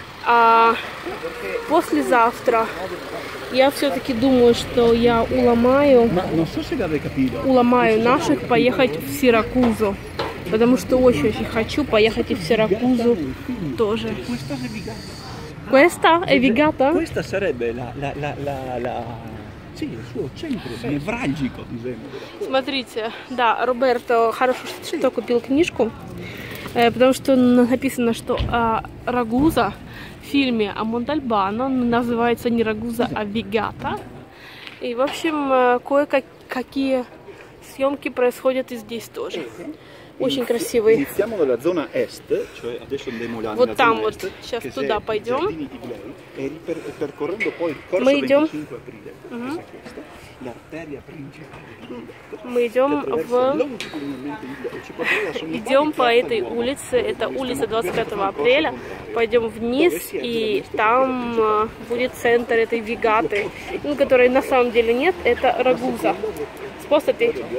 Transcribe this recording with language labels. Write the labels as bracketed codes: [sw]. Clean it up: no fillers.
[ru] А послезавтра я все-таки думаю, что я уломаю, уломаю наших поехать в Сиракузу. Потому что очень-очень хочу поехать и в Сиракузу тоже. [it] Questa è Vigata? Questa sarebbe la sì, il suo centro nevralgico, diciamo. [ru] Смотрите, да, Роберто, хорошо, что купил книжку, потому что написано, что Рагуза в фильме о Монтальбано называется не Рагуза, а Вигата. И, в общем, кое-какие съемки происходят и здесь тоже. Очень красивый. [it] Iniziamo dalla zona est, cioè adesso andiamo là, [ru] вот [it] nella [ru] там [it] zona est, [ru] вот, сейчас туда пойдем. [it] Percorrendo poi il corso [ru] мы идем, 25 апреля, мы идем по этой улице, это улица 25 апреля, пойдем вниз, и там будет центр этой Вигаты, которой на самом деле нет, это Рагуза. Способы.